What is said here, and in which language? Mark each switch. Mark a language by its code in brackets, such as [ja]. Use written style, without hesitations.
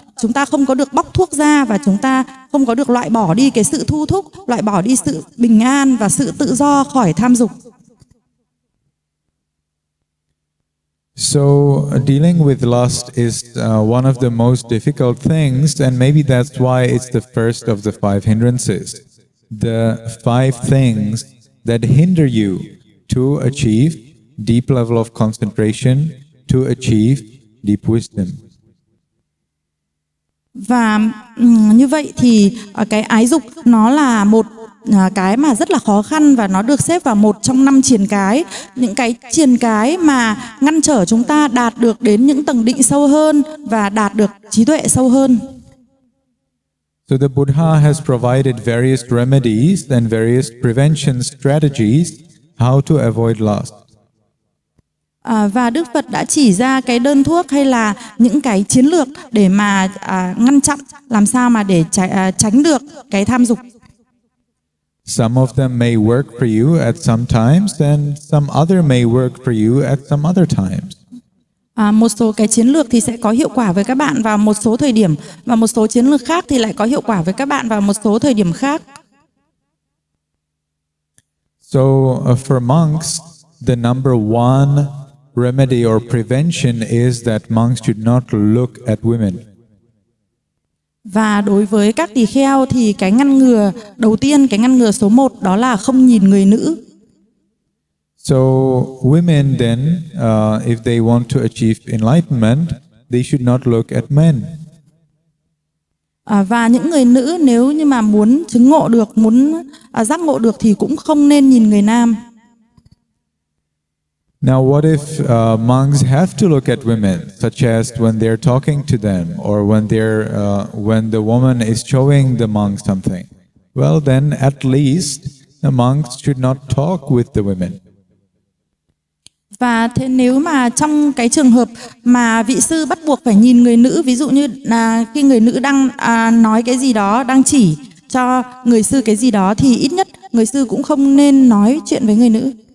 [vi] Chúng ta không có được bóc thuốc ra và chúng ta không có được loại bỏ đi cái sự thu thúc, loại bỏ đi sự bình an và sự tự do khỏi tham dục. [en] So dealing with lust is one of the most difficult things, and maybe that's why it's the first of the five hindrances. The five things that hinder you to achieve deep level of concentration, to achieve deep wisdom. [vi] Và như vậy thì cái ái dục nó là một cái mà rất là khó khăn, và nó được xếp vào một trong năm triền cái, những cái triền cái mà ngăn trở chúng ta đạt được đến những tầng định sâu hơn và đạt được trí tuệ sâu hơn. [en] So the Buddha has provided various remedies and various prevention strategies how to avoid lust. [vi] Và Đức Phật đã chỉ ra cái đơn thuốc hay là những cái chiến lược để mà ngăn chặn làm sao mà để tránh được cái tham dục. [en] Some of them may work for you at some times, and some other may work for you at some other times. [vi] Một số cái chiến lược thì sẽ có hiệu quả với các bạn vào một số thời điểm, và một số chiến lược khác thì lại có hiệu quả với các bạn vào một số thời điểm khác. [en] So for monks, the number one remedy or prevention is that monks should not look at women. [vi] Và đối với các tỳ kheo thì cái ngăn ngừa đầu tiên, cái ngăn ngừa số một đó là không nhìn người nữ. [en] So women then, if they want to achieve enlightenment, they should not look at men. [vi] Và những người nữ nếu như mà muốn chứng ngộ được, muốn giác ngộ được thì cũng không nên nhìn người nam. [en] Now what if monks have to look at women, such as when they're talking to them, or when the woman is showing the monk something? Well then, at least, the monks should not talk with the women. [vi] Và thế nếu mà trong cái trường hợp mà vị sư bắt buộc phải nhìn người nữ, ví dụ như khi người nữ đang nói cái gì đó, đang chỉ cho người sư cái gì đó, thì ít nhất người sư cũng không nên nói chuyện với người nữ.